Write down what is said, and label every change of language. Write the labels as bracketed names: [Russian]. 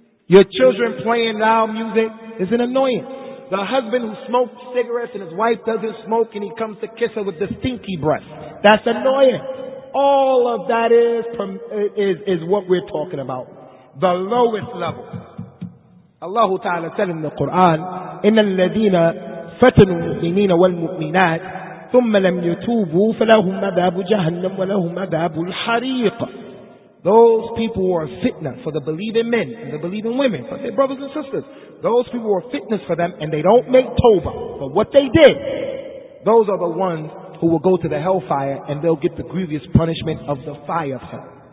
[English] Your children playing loud music is an annoyance. The husband who smokes cigarettes and his wife doesn't smoke and he comes to kiss her with the stinky breath. That's annoying. All of that is what we're talking about. The lowest level. Allah Ta'ala said in the Quran, [Arabic] إِنَّ الَّذِينَ فَتَنُوا الْمُؤْمِنِينَ وَالْمُؤْمِنَاتِ ثُمَّ لَمْ يَتُوبُوا فَلَهُمْ عَذَابُ جَهَنَّمْ وَلَهُمْ عَذَابُ الْحَرِيقَ. [English] Those people were a fitna for the believing men and the believing women, but their brothers and sisters. Those people were fitness for them, and they don't make tawbah for what they did. Those are the ones who will go to the hellfire, and they'll get the grievous punishment of the fire of hell.